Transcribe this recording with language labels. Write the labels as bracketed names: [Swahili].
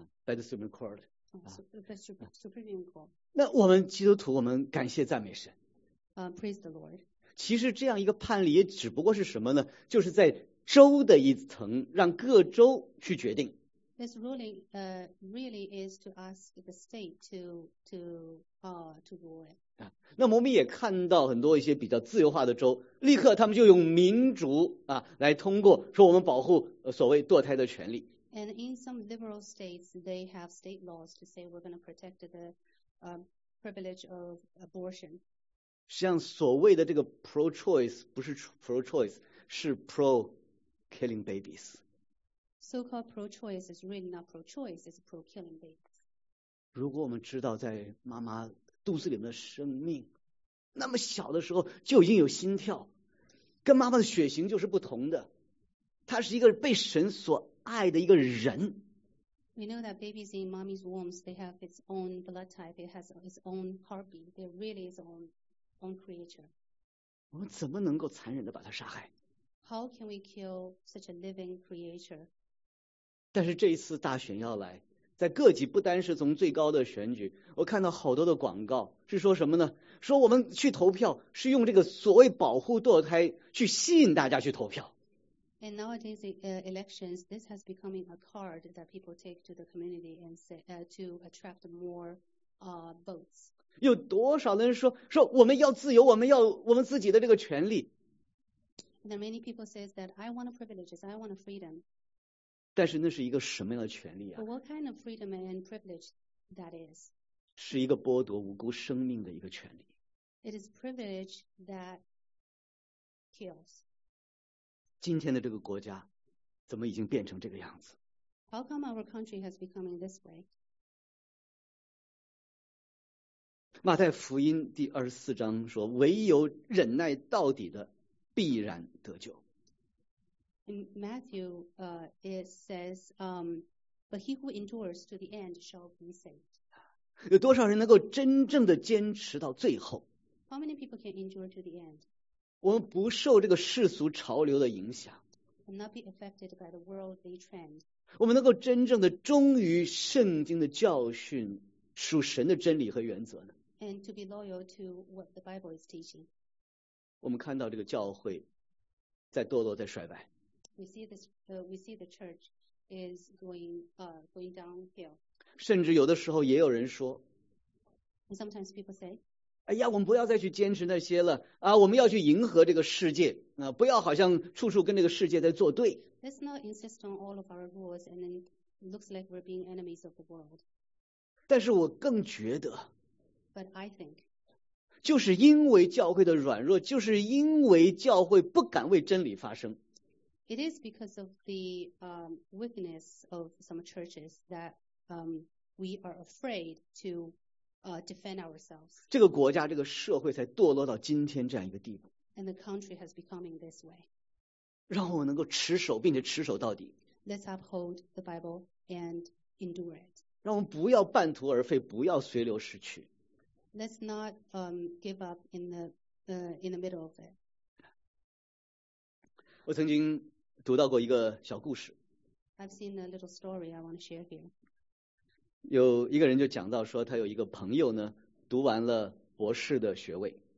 [English] By the Supreme Court. The Supreme Court. [Chinese] 那我们基督徒，我们感谢赞美神。 [English] Praise the Lord. [Chinese] 其实这样一个判例也只不过是什么呢？就是在州的一层，让各州去决定。 [English] This ruling really is to ask the state to rule it. [Chinese] 那么我们也看到很多一些比较自由化的州，立刻他们就用民主啊来通过，说我们保护所谓堕胎的权利。 [English] And in some liberal states, they have state laws to say we're going to protect the privilege of abortion. [Chinese] 像所谓的这个 pro-choice 不是 pro-choice， 是 pro。 [English] Killing babies. So-called pro-choice is really not pro-choice. It's pro-killing babies. [Chinese] 如果我们知道在妈妈肚子里面的生命，那么小的时候就已经有心跳，跟妈妈的血型就是不同的，她是一个被神所爱的一个人。 [English] We know that babies in mommy's wombs, they have its own blood type. It has its own heartbeat. They really is own creature. [Chinese] 我们怎么能够残忍地把她杀害？ [English] How can we kill such a living creature? [Chinese] 但是这一次大选要来，在各级不单是从最高的选举，我看到好多的广告是说什么呢？说我们去投票是用这个所谓保护堕胎去吸引大家去投票。 [English] And nowadays elections, this has become a card that people take to the community and say to attract more votes. [Chinese] 有多少人说我们要自由，我们要我们自己的这个权利？ [English] There are many people says that I want a privileges, I want a freedom. [Chinese] 但是那是一个什么样的权利啊？ [English] But what kind of freedom and privilege that is? [Chinese] 是一个剥夺无辜生命的一个权利。 [English] It is privilege that kills. [Chinese] 今天的这个国家怎么已经变成这个样子？ [English] How come our country has become this way? [Chinese] 马太福音第二十四章说，唯有忍耐到底的必然得救。 [English] In Matthew, it says, but he who endures to the end shall be saved. [Chinese] 有多少人能够真正的坚持到最后？ [English] How many people can endure to the end? [Chinese] 我们不受这个世俗潮流的影响。 [English] And not be affected by the worldly trend. [Chinese] 我们能够真正的忠于圣经的教训，属神的真理和原则呢？ [English] And to be loyal to what the Bible is teaching. [Chinese] 我们看到这个教会在堕落，在衰败。 [English] We see the church is going downhill. [Chinese] 甚至有的时候也有人说 [English] ，And sometimes people say， [Chinese] 哎呀，我们不要再去坚持那些了啊，我们要去迎合这个世界啊，不要好像处处跟这个世界在作对。 [English] Let's not insist on all of our rules, and then looks like we're being enemies of the world. [Chinese] 但是我更觉得 [English] ，But I think. [Chinese] 就是因为教会的软弱，就是因为教会不敢为真理发声。 [English] It is because of the weakness of some churches that we are afraid to defend ourselves. [Chinese] 这个国家，这个社会才堕落到今天这样一个地步。 [English] And the country has becoming this way. [Chinese] 让我能够持守，并且持守到底。 [English] Let's uphold the Bible and endure it. [Chinese] 让我们不要半途而废，不要随流失去。 [English] Let's not give up in the middle of it. [Chinese] 我曾经读到过一个小故事。 [English] I've seen a little story I want to share here. [Chinese] 有一个人就讲到说，他有一个朋友呢，读完了博士的学位。